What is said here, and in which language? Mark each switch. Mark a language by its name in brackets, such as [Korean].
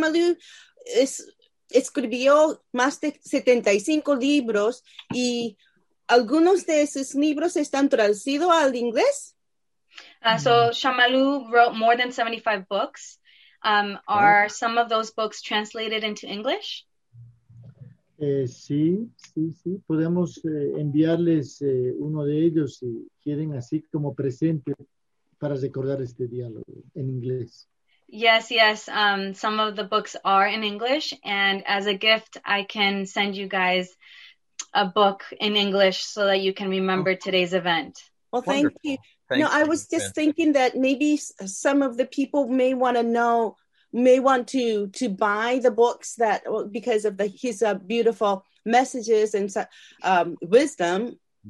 [Spanish] Shamalu, escribió más de 75 libros, y algunos de esos libros están traducidos al inglés. [English] So Shamalu wrote more than 75 books. Are some of those books translated into English? [Spanish] Sí, sí, sí. Podemos enviarles uno de ellos si quieren, así como presente para recordar este diálogo en inglés. [English] Yes, yes. Some of the books are in English, and as a gift, I can send you guys a book in English so that you can remember today's event. Well, thank Wonderful. You. Thanks, no, I was just thinking that maybe some of the people may want to know, may want to buy the books that because of the his beautiful messages and wisdom.